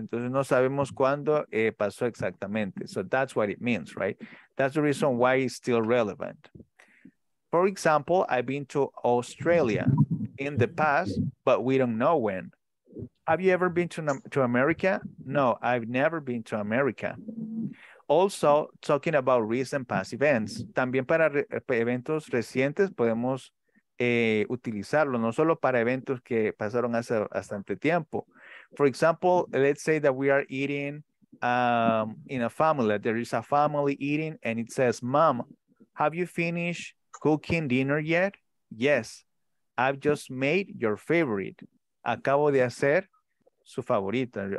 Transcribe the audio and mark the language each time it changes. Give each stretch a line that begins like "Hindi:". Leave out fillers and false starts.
Spanish: Entonces no sabemos cuándo pasó exactamente.
English: So that's what it means, right? That's the reason why it's still relevant. For example, I've been to Australia in the past, but we don't know when. Have you ever been to America? No, I've never been to America. also talking about recent past events.
Spanish: También para eventos recientes podemos utilizarlo, no solo para eventos que pasaron hace bastante tiempo.
English: For example, let's say that we are eating in a family, there is a family eating and it says, "Mom, have you finished cooking dinner yet?" "Yes, I've just made your favorite."
Spanish: Acabo de hacer su favorita.